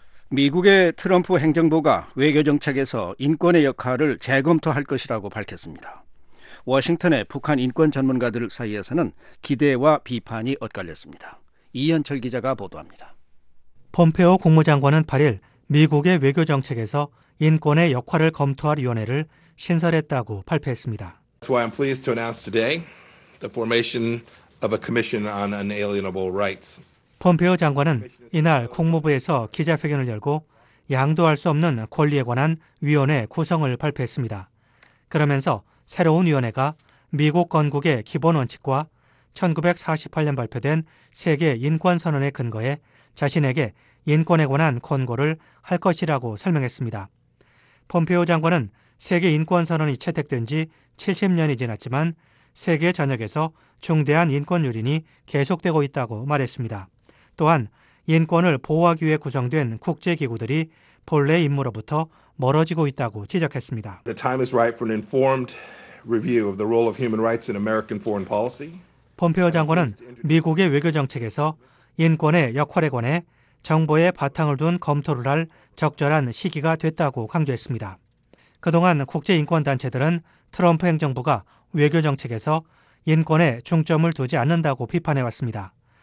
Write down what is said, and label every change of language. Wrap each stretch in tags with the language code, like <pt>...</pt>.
<ko>미국의 트럼프 행정부가 외교정책에서 인권의 역할을 재검토할 것이라고 밝혔습니다. 워싱턴의 북한 인권 전문가들 사이에서는 기대와 비판이 엇갈렸습니다. 이현철 기자가 보도합니다. 폼페오 국무장관은 8일 미국의 외교정책에서 인권의 역할을 검토할 위원회를 신설했다고 발표했습니다.</ko> <en>That's why I'm pleased to announce today the formation of a commission on unalienable rights.</en> <ko>폼페오 장관은 이날 국무부에서 기자회견을 열고 양도할 수 없는 권리에 관한 위원회 구성을 발표했습니다. 그러면서 새로운 위원회가 미국 건국의 기본 원칙과 1948년 발표된 세계 인권선언의 근거에 자신에게 인권에 관한 권고를 할 것이라고 설명했습니다. 폼페오 장관은 세계 인권선언이 채택된 지 70년이 지났지만 세계 전역에서 중대한 인권 유린이 계속되고 있다고 말했습니다. 또한 인권을 보호하기 위해 구성된 국제기구들이 본래 임무로부터 멀어지고 있다고 지적했습니다.</ko> <en>The time is right for an informed review of the role of human rights in American foreign policy.</en> <ko>폼페오 장관은 미국의 외교 정책에서 인권의 역할에 관해 정보의 바탕을 둔 검토를 할 적절한 시기가 됐다고 강조했습니다. 그동안 국제 인권 단체들은 트럼프 행정부가 외교 정책에서 인권에 중점을 두지 않는다고 비판해 왔습니다.</ko>